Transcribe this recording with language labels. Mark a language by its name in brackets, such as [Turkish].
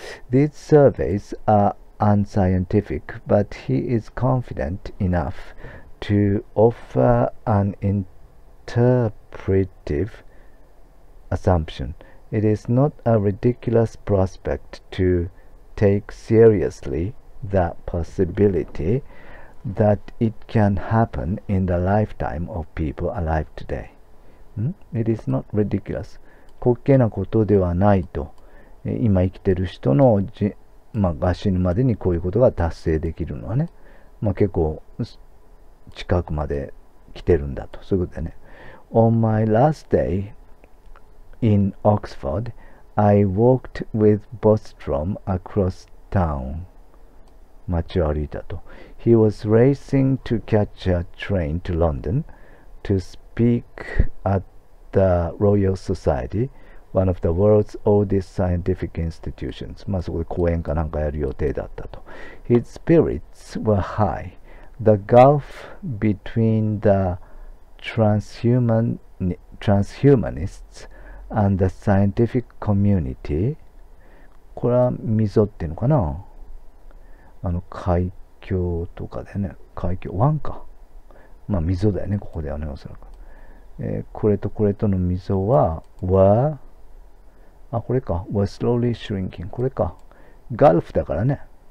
[English] These surveys are unscientific, but he is confident enough to offer an interpretive assumption. It is not a ridiculous prospect to take seriously the possibility that it can happen in the lifetime of people alive today. It is not ridiculous. [Japanese] 滑稽なことではないと。今生きてる人の、まあ、死ぬまでにこういうことが達成できるのはね、まあ、結構近くまで来てるんだと。そういうことでね。 [English] On my last day in Oxford, I walked with Bostrom across town. [Japanese] 街を歩いたと。 [English] He was racing to catch a train to London to speak at the Royal Society. One of the world's oldest scientific institutions. [Japanese] まあそこで講演かなんかやる予定だったと。 [English] His spirits were high. The gulf between the transhumanists and the scientific community. [Japanese] これは溝っていうのかな？あの海峡とかでね。海峡、湾か。まあ溝だよね、ここではね、おそらく。これとこれとの溝は、あ、これか。 [English] was slowly shrinking. [Japanese] これか。 [English] gulf [Japanese] だからね。